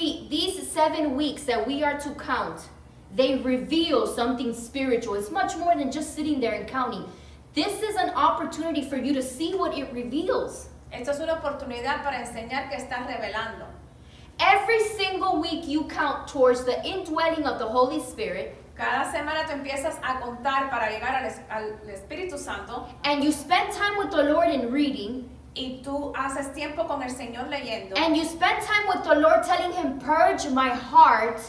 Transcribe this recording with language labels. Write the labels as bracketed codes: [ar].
[en] These seven weeks that we are to count, they reveal something spiritual. It's much more than just sitting there and counting. This is an opportunity for you to see what it reveals. [es] Esta es una oportunidad para enseñar que estás revelando. [en] Every single week you count towards the indwelling of the Holy Spirit. [es] Cada semana tú empiezas a contar para llegar al Espíritu Santo. [en] And you spend time with the Lord in reading. [es] Y tú haces tiempo con el Señor leyendo. [en] And you spend time with the Lord telling him, purge my heart.